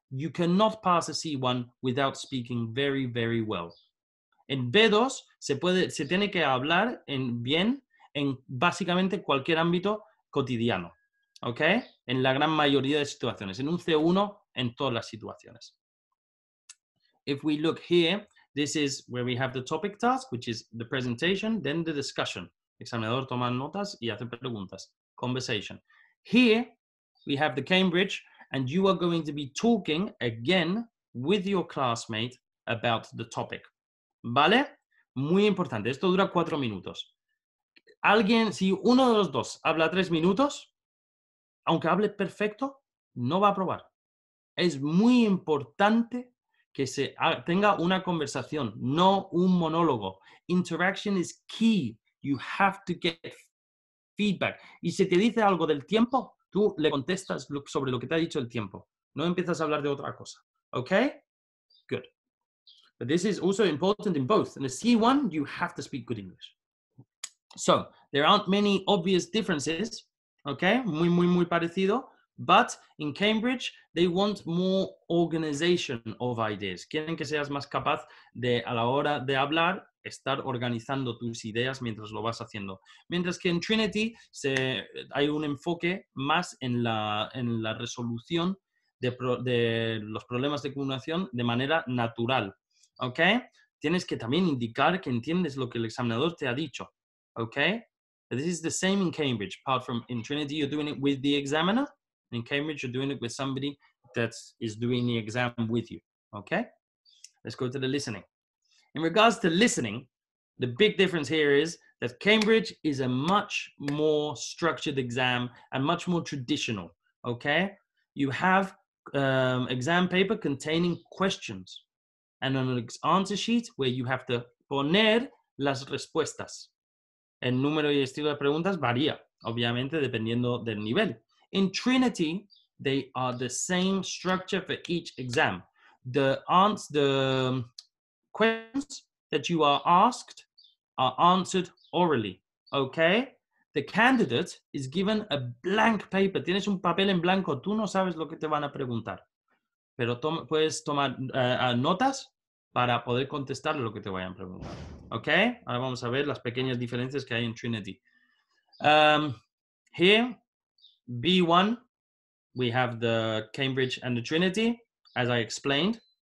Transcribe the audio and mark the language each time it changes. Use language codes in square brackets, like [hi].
[en] You cannot pass a C1 without speaking very, very well. [es] En B2 se tiene que hablar bien en básicamente cualquier ámbito cotidiano. Okay? En la gran mayoría de situaciones. En un C1, en todas las situaciones. [en] If we look here, this is where we have the topic task, which is the presentation, then the discussion. [es] Examinador toma notas y hace preguntas. Conversation. [en] Here, we have the Cambridge, and you are going to be talking again with your classmate about the topic. [es] ¿Vale? Muy importante. Esto dura 4 minutos. Alguien, si uno de los dos habla 3 minutos, aunque hable perfecto, no va a aprobar. Es muy importante que se tenga una conversación, no un monólogo. [en] Interaction is key. You have to get feedback. [es] Y si te dice algo del tiempo, tú le contestas sobre lo que te ha dicho el tiempo. No empiezas a hablar de otra cosa. [en] Okay? Good. But this is also important in both. In the C1, you have to speak good English. So, there aren't many obvious differences. Okay? [es] Muy, muy, muy parecido. [en] But in Cambridge, they want more organization of ideas. [es] Quieren que seas más capaz de, a la hora de hablar, estar organizando tus ideas mientras lo vas haciendo. Mientras que en Trinity hay un enfoque más en la resolución de los problemas de comunicación de manera natural. Okay? Tienes que también indicar que entiendes lo que el examinador te ha dicho. [en] Okay? This is the same in Cambridge. Apart from in Trinity, you're doing it with the examiner. In Cambridge, you're doing it with somebody that is doing the exam with you, okay? Let's go to the listening. In regards to listening, the big difference here is that Cambridge is a much more structured exam and much more traditional, okay? You have exam paper containing questions and an answer sheet where you have to [es] poner las respuestas. El número y estilo de preguntas varía, obviamente, dependiendo del nivel. [en] In Trinity, they are the same structure for each exam. The answers, the questions that you are asked are answered orally, okay? The candidate is given a blank paper. [es] Tienes un papel en blanco. Tú no sabes lo que te van a preguntar. Pero puedes tomar notas para poder contestar lo que te vayan a preguntar, okay? Ahora vamos a ver las pequeñas diferencias que hay en Trinity. [en] Here, B1, we have the Cambridge and the Trinity, as I explained.